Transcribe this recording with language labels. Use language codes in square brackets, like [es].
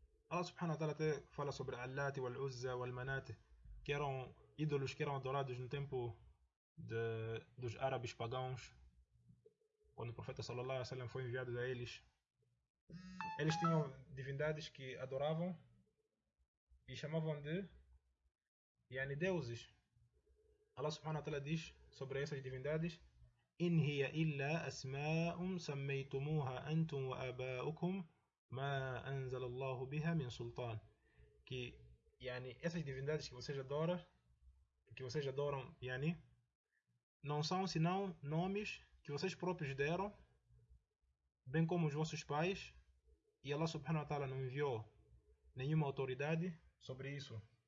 [pt] Allah subhanahu wa ta'ala até fala sobre Al-Lat, Wal-Uzza, Wal-Manat, que eram ídolos que eram adorados no tempo dos árabes pagãos, quando o profeta sallallahu alaihi wasallam foi enviado a eles. Eles tinham divindades que adoravam e chamavam de yani, deuses. Allah subhanahu wa ta'ala diz sobre essas divindades: [ar] إن هي إلا أسماء سميتموها أنتم وآباؤكم ما أنزل الله بها من سلطان. [pt] que yani, essas divindades que vocês adoram, yani, não são senão nomes que vocês próprios deram, bem como os vossos pais, e Allah subhanahu wa ta'ala não enviou nenhuma autoridade sobre isso.